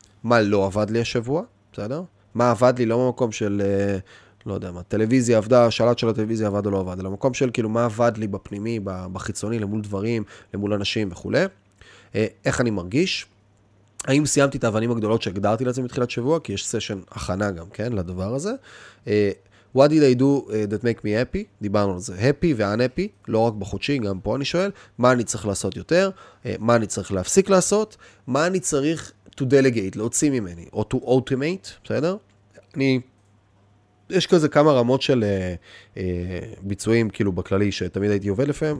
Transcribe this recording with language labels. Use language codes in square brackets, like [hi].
[he] מה לא עבד לי השבוע? בסדר? מה עבד לי? לא במקום של, לא יודע מה, טלוויזיה עבדה, השלט של הטלוויזיה עבד או לא עבד, אלא במקום של כאילו מה עבד לי בפנימי, בחיצוני, למול דברים, למול אנשים וכו'. איך אני מרגיש? האם סיימתי את האבנים הגדולות שהגדרתי לעצמי מתחילת שבוע? כי יש סשן הכנה גם, כן, לדבר הזה. [en] What did I do that make me happy? [he] דיברנו על זה. Happy ו-unhappy, לא רק בחודשי, גם פה אני שואל. מה אני צריך לעשות יותר? מה אני צריך להפסיק לעשות? מה אני צריך [en] to delegate, [he] להוציא ממני, [en] or to automate, [he] בסדר? יש כזה כמה רמות של ביצועים, כאילו בכללי, שתמיד הייתי עובד לפעמים.